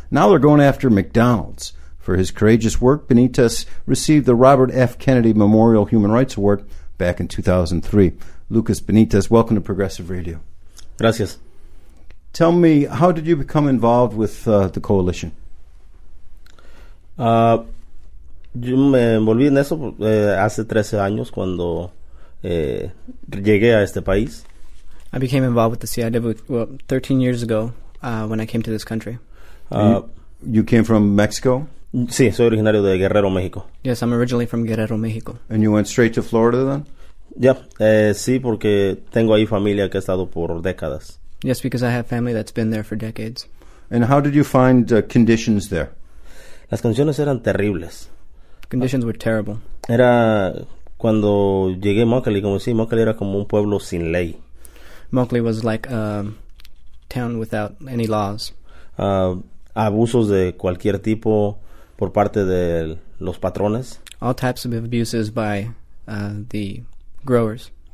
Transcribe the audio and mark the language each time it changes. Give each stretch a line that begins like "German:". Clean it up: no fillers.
English: Now they're going after McDonald's. For his courageous work, Benitez received the Robert F. Kennedy Memorial Human Rights Award back in 2003. Lucas Benitez, welcome to Progressive Radio.
Spanish: Gracias.
English: Tell me, how did you become involved with the coalition?
Spanish: Yo me envolví en eso hace 13 años cuando llegué a este país.
English: I became involved with the CIW 13 years ago when I came to this country. You came from Mexico?
Spanish: Sí, soy originario de Guerrero, México.
English: Yes, I'm originally from Guerrero, México. And you went straight to Florida then?
Spanish: Yeah, sí, porque tengo ahí familia que ha estado por décadas.
English: Yes, because I have family that's been there for decades. And how did you find conditions there?
Spanish: Las condiciones eran terribles.
English: Conditions were terrible.
Spanish: Era cuando llegué a Immokalee, como decía, Immokalee era como un pueblo sin ley.
English: Immokalee was like a town without any laws.
Spanish: Abusos de cualquier tipo por parte de los patrones.
English: All types of abuses by the growers.